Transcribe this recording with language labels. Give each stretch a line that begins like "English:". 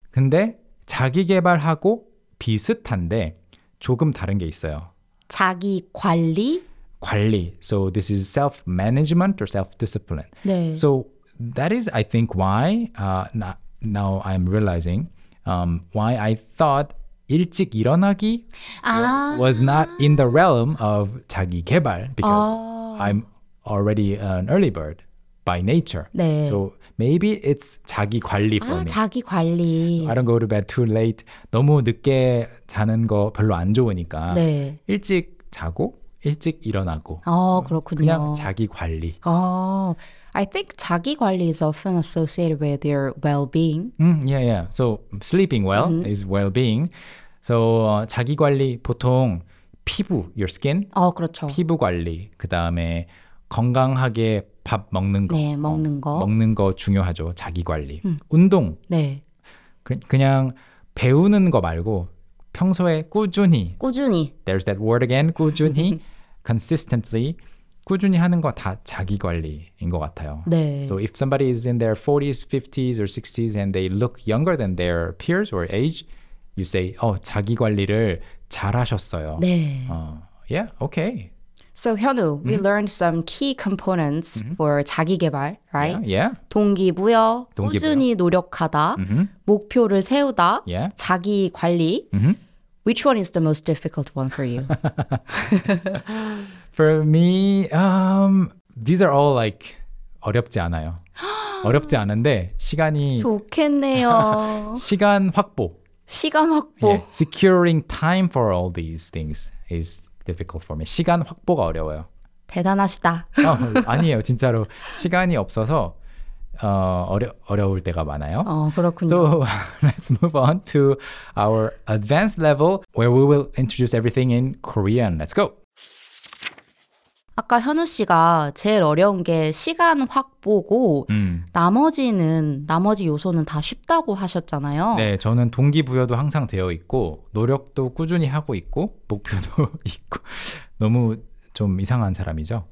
Korean: 근데 자기 개발하고 비슷한데 조금 다른 게 있어요. 자기 관리? 관리.
English: So this is self-management or self-discipline.
Korean: 네.
English: So that is, I think, why now I'm realizing why I thought 일찍 일어나기 was not in the realm of 자기 개발 because I'm already an early bird by nature.
Korean: 네.
English: So maybe it's 자기 관리 for me.
Korean: 자기 관리.
English: So I don't go to bed too late.
Korean: 너무 늦게 자는 거 별로 안 좋으니까. 네. 일찍 자고 일찍 일어나고. 그렇군요. 그냥 자기 관리.
English: I think 자기 관리 is often associated with your well-being. Yeah, yeah. So sleeping well is well-being. So
Korean: 자기 관리 보통 피부,
English: your skin.
Korean: 그렇죠. 피부 관리. 그다음에 건강하게 밥 먹는 거. 네, 먹는 거. 먹는 거 중요하죠. 자기 관리. 운동. 네. 그냥 배우는 거 말고 평소에 꾸준히. 꾸준히.
English: There's that word again. 꾸준히. Consistently.
Korean: 꾸준히 하는 거 다 자기 관리인 것 같아요. 네.
English: So if somebody is in their 40s, 50s or 60s and they look younger than their peers or age, you say,
Korean: 자기 관리를 잘하셨어요. 네.
English: Yeah, okay. So, Hyunwoo, we learned some key components for 자기개발, right? Yeah, yeah.
Korean: 동기부여, 동기부여, 꾸준히 노력하다, 목표를 세우다,
English: yeah.
Korean: 자기관리.
English: Which one is the most difficult one for you? For me, these are all like
Korean: 어렵지 않아요. 어렵지 않은데 시간이... 좋겠네요. 시간 확보. 시간 확보.
English: Yeah. Securing time for all these things is... difficult for me.
Korean: 시간 확보가 어려워요. 대단하시다. 아니에요. 진짜로 시간이 없어서 어려울 때가 많아요. 그렇군요.
English: So let's move on to our advanced level where we will introduce everything in Korean. Let's go.
Korean: 아까 현우 씨가 제일 어려운 게 시간 확보고 나머지 요소는 다 쉽다고 하셨잖아요. 네, 저는 동기부여도 항상 되어 있고 노력도 꾸준히 하고 있고 목표도 있고 너무 좀 이상한 사람이죠?